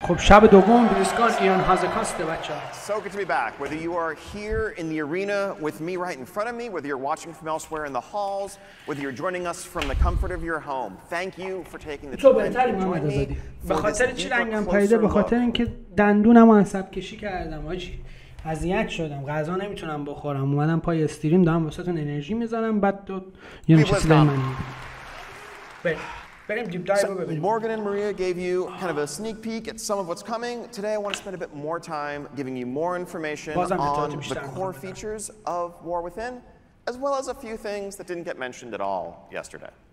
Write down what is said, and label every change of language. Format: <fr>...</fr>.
<fa>خب شب دوم بلیزکان ایران هازکاست بچه ها.</fa> <en>So good to be back. Whether you are here in the arena with me right in front of me, whether you're watching from elsewhere in the halls, whether you're joining us from the comfort of your home, thank you for taking the time to join me.</en> <fa>به خاطر چی رنگم پریده؟ به خاطر اینکه دندونم عصب کشی کردم حاجی. اذیت شدم. غذا نمیتونم بخورم. اومدم پای استریم دارم واسه تون انرژی میذارم. بعد تو یه چیزی به من بگو.</fa> <en>So Morgan and Maria gave you kind of a sneak peek at some of what's coming. Today I want to spend a bit more time giving you more information on the core features of War Within, as well as a few things that didn't get mentioned at all yesterday.</en>